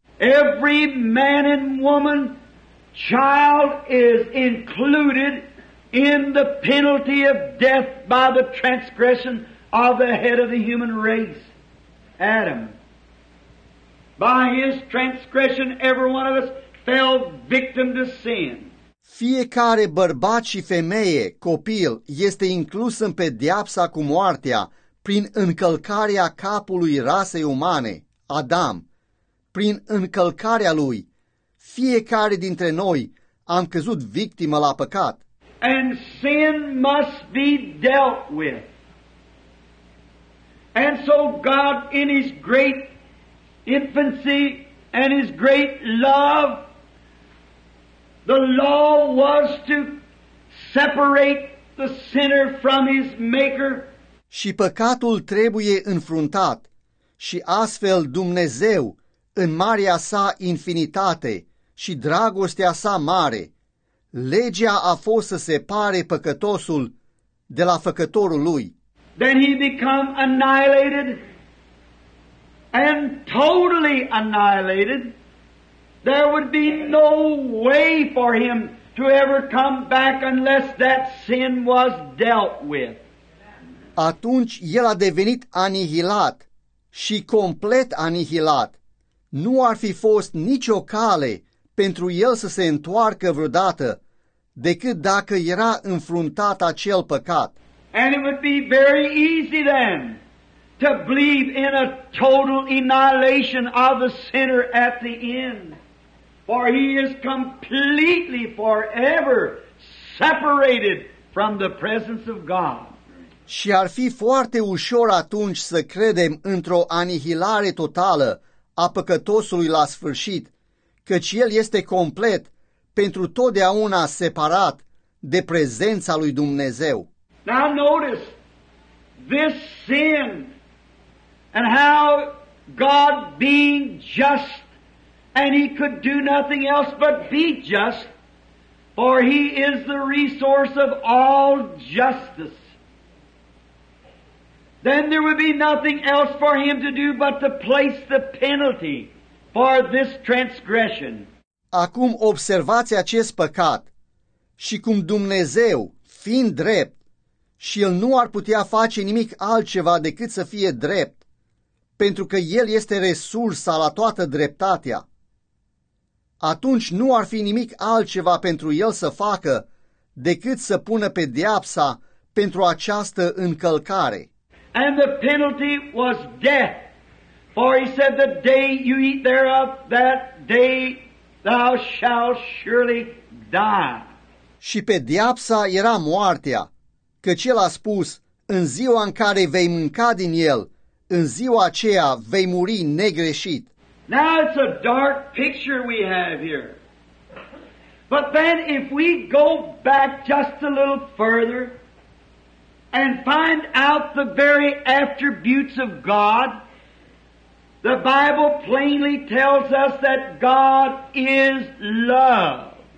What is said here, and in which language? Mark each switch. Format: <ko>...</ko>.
<en>Every man and woman, child is included in the penalty of death by the transgression of the head of the human race, Adam. By his transgression, every one of us fell victim to sin.</en> <ro>Fiecare bărbat și femeie, copil, este inclus în pedeapsa cu moartea prin încălcarea capului rasei umane, Adam. Prin încălcarea lui, fiecare dintre noi am căzut victimă la păcat.</ro> <en>And sin must be dealt with. And so God, in his great infancy and his great love, the law was to separate the sinner from his maker.</en> <ro>Și păcatul trebuie înfruntat. Și astfel Dumnezeu, în marea sa infinitate și dragostea sa mare, legea a fost să separe păcătosul de la făcătorul lui.</ro> <en>Then he became annihilated and totally annihilated. There would be no way for him to ever come back unless that sin was dealt with.</en> <ro>Atunci el a devenit anihilat și complet anihilat. Nu ar fi fost nicio cale pentru el să se întoarcă vreodată decât dacă era înfruntat acel păcat.</ro> <en>And it would be very easy then to believe in a total annihilation of the sinner at the end. For he is completely forever separated from the presence of God.</en> <ro>Și ar fi foarte ușor atunci să credem într-o anihilare totală a păcătosului la sfârșit, căci el este complet pentru totdeauna separat de prezența lui Dumnezeu.</ro> <en>Now notice this sin and how God being just, and he could do nothing else but be just, for he is the resource of all justice. Then there would be nothing else for him to do but to place the penalty for this transgression.</en> <ro>Acum observați acest păcat și cum Dumnezeu, fiind drept, și el nu ar putea face nimic altceva decât să fie drept, pentru că el este resursa la toată dreptatea. Atunci nu ar fi nimic altceva pentru el să facă decât să pună pedeapsa pentru această încălcare.</ro> <en>And the penalty was death, for he said, the day you eat thereof, that day thou shalt surely die.</en> <ro>Și pedeapsa era moartea, căci el a spus, în ziua în care vei mânca din el, în ziua aceea vei muri negreșit.</ro> <en>Now it's a dark picture we have here. But then if we go back just a little further and find out the very attributes of God, the Bible plainly tells us that God is love.</en>